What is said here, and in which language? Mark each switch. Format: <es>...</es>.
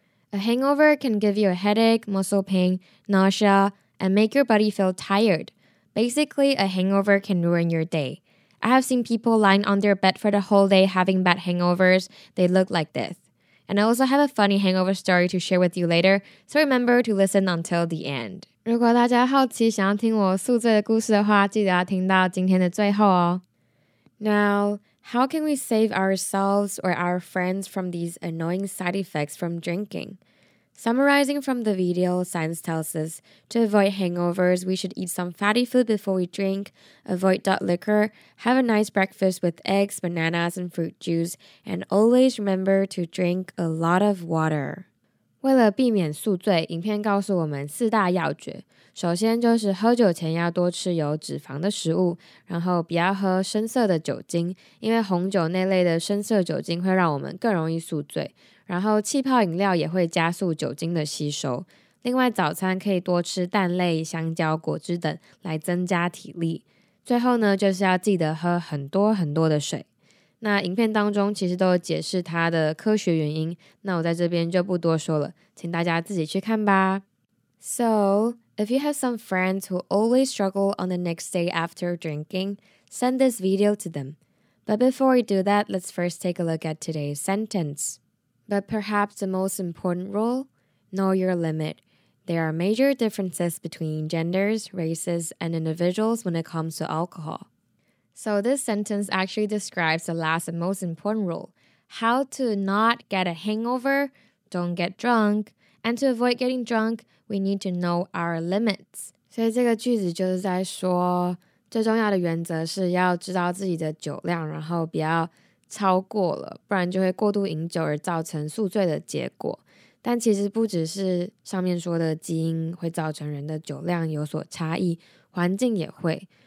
<en>A hangover can give you a headache, muscle pain, nausea, and make your body feel tired. Basically, a hangover can ruin your day. I have seen people lying on their bed for the whole day having bad hangovers. They look like this. And I also have a funny hangover story to share with you later, so remember to listen until the end.</en> <zh>如果大家好奇想要听我宿醉的故事的话，记得要听到今天的最后哦。</zh> <en>Now, how can we save ourselves or our friends from these annoying side effects from drinking? Summarizing from the video, science tells us to avoid hangovers, we should eat some fatty food before we drink, avoid dark liquor, have a nice breakfast with eggs, bananas, and fruit juice, and always remember to drink a lot of water.</en> <zh>为了避免宿醉，影片告诉我们四大要诀。首先就是喝酒前要多吃有脂肪的食物，然后不要喝深色的酒精，因为红酒那类的深色酒精会让我们更容易宿醉。然后气泡饮料也会加速酒精的吸收。另外早餐可以多吃蛋类、香蕉、果汁等来增加体力。最后呢，就是要记得喝很多很多的水。那影片当中其实都有解释它的科学原因，那我在这边就不多说了，请大家自己去看吧。</zh> <en>So, if you have some friends who always struggle on the next day after drinking, send this video to them. But before we do that, let's first take a look at today's sentence. But perhaps the most important rule? Know your limit. There are major differences between genders, races, and individuals when it comes to alcohol. So this sentence actually describes the last and most important rule. How to not get a hangover, don't get drunk, and to avoid getting drunk, we need to know our limits.</en> <zh>所以这个句子就是在说，最重要的原则是要知道自己的酒量，然后不要超过了，不然就会过度饮酒而造成宿醉的结果。但其实不只是上面说的基因会造成人的酒量有所差异，环境也会。</zh>